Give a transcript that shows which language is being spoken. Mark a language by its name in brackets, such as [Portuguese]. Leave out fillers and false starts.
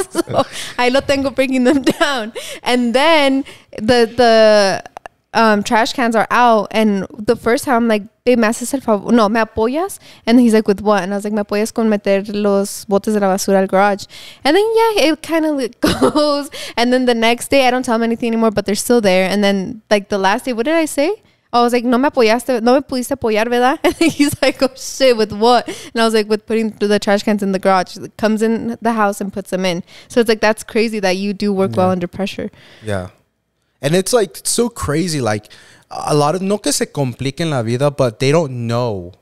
[English] So I [Spanish] lo tengo [English] breaking them down. And then the trash cans are out, and the first time I'm like, babe, [Spanish] me haces el favor, no, me apoyas, [English] and he's like, with what? And I was like, [Spanish] me apoyas con meter los botes de la basura al garage. [English] And then, yeah, it kind of like goes, and then the next day I don't tell him anything anymore, but they're still there. And then, like, the last day, what did I say? I was like, [Spanish] no me apoyaste, no me pudiste apoyar, ¿verdad? [English] And he's like, oh shit, with what? And I was like, with putting the trash cans in the garage. Comes in the house and puts them in. So it's like, that's crazy that you do work well under pressure. Yeah. And it's like, it's so crazy. Like, a lot of, [Spanish] no que se compliquen la vida, [English] but they don't know.